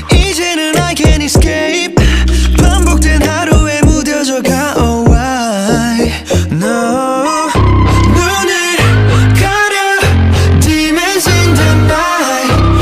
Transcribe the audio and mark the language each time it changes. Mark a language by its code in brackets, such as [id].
[ko] 이제는 [en] I can't escape. [ko] 반복된 하루에 무뎌져가. [en] Oh why? No. [ko] 눈을 가려 [en] demons in the night.